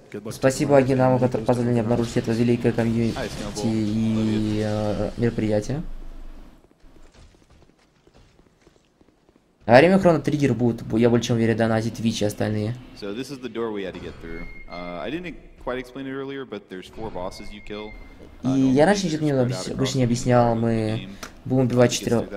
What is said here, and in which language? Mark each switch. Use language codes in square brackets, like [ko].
[ru] Спасибо Агинаму, который позволил мне обнаружить это великое комьюнити и мероприятие. А время Хроно Триггер будет, я больше чем уверен, донатить Twitch и остальные. [en] So this is the door we had to get through. I didn't quite explain it earlier, but there's four bosses you kill. [ru] И я раньше ничего не обычно не объяснял, мы будем убивать четырех.